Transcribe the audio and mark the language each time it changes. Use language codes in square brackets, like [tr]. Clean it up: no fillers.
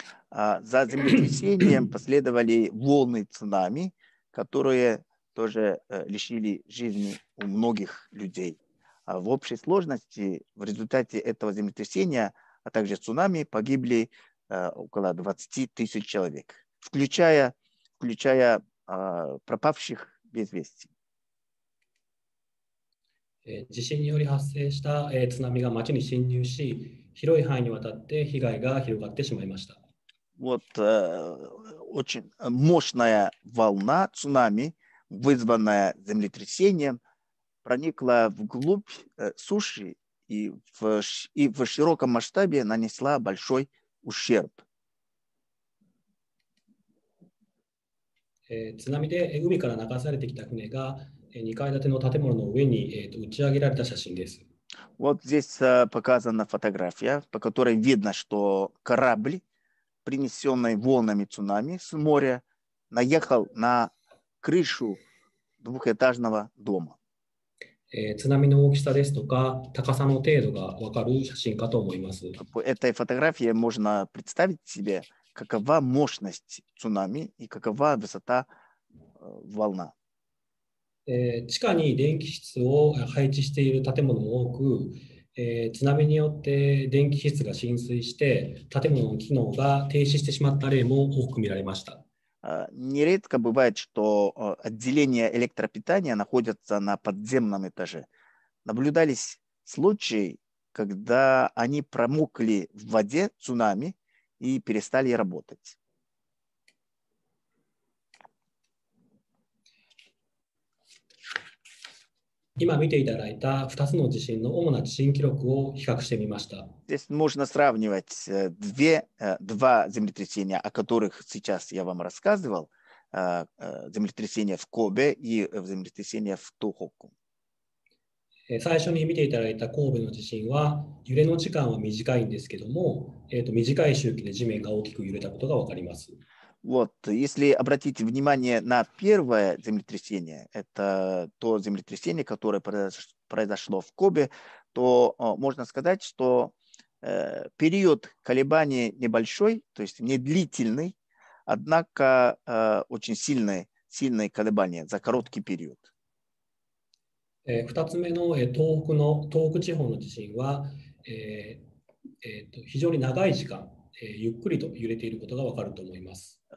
[ru] За землетрясением последовали волны цунами, которые тоже лишили жизни у многих людей. В общей сложности в результате этого землетрясения, а также цунами, погибли около 20 тысяч человек, включая пропавших без вести. [ja] 地震により発生した津波が町に侵入し、広い範囲にわたって被害が広がってしまいました。 [ru] Вот очень мощная волна цунами, вызванная землетрясением, проникла вглубь суши и в широком масштабе нанесла большой ущерб. [ja] 津波で海から流されてきた船が2階建ての建物の上に打ち上げられた写真です。 [ru] Вот здесь показана фотография, по которой видно, что корабль, принесенный волнами цунами с моря, наехал на крышу двухэтажного дома. [ja] 津波の大きさですとか高さの程度が分かる写真かと思います。 [ru] По этой фотографии можно представить себе, какова мощность цунами и какова высота волна. [ja] 地下に電気室を配置している建物も多く、津波によって電気室が浸水して建物の機能が停止してしまった例も多く見られました。 [ru] Нередко бывает, что отделение электропитания находится на подземном этаже. Наблюдались случаи, когда они промокли в воде цунами и перестали работать. [ja] 今見ていただいた2つの地震の主な地震記録を比較してみました。 [ru] Здесь можно сравнивать два землетрясения, о которых сейчас я вам рассказывал. Землетрясение в Кобе и землетрясение в Тохоку. [ja] 最初に見ていただいた神戸の地震は、揺れの時間は短いんですけども、短い周期で地面が大きく揺れたことがわかります。 [ru] Вот, если обратите внимание на первое землетрясение, это то землетрясение, которое произошло в Кобе, то можно сказать, что период колебаний небольшой, то есть не длительный, однако очень сильные колебания за короткий период. [ja] 2つ目の東北地方の地震は、非常に長い時間、ゆっくりと揺れていることがわかると思います。